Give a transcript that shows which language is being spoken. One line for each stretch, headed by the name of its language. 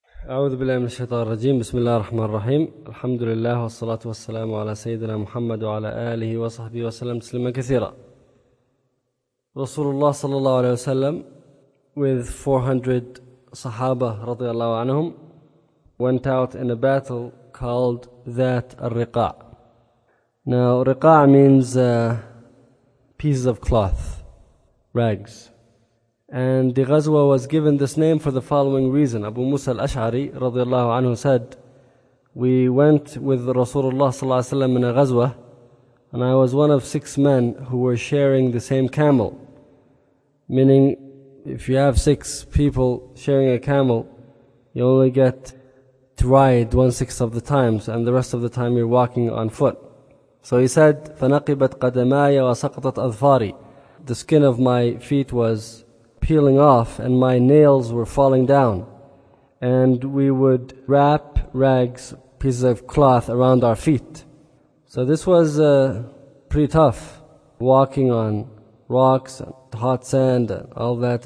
Arabic: أعوذ بالله من الشيطان الرجيم بسم الله الرحمن الرحيم الحمد لله والصلاة والسلام على سيدنا محمد وعلى آله وصحبه وسلم تسليما كثيرا. رسول الله صلى الله عليه وسلم
English: with 400
Arabic: صحابة رضي الله عنهم
English: went out in a battle called
Arabic: ذات الرقاع.
English: Now رقاع means pieces of cloth, rags. And the Ghazwa was given this name for the following reason. Abu Musa al-Ash'ari radiallahu anhu said, "We went with Rasulullah sallallahu alayhi wa sallam in a Ghazwa, and I was one of six men who were sharing the same camel." Meaning, if you have six people sharing a camel, you only get to ride 1/6 of the times, and the rest of the time you're walking on foot. So he said,
Arabic: "فَنَقِبَتْ قَدَمَايَ وَسَقَطَتْ أَظْفَارِي."
English: The skin of my feet was peeling off and my nails were falling down. And we would wrap rags, pieces of cloth around our feet. So this was pretty tough, walking on rocks and hot sand and all that.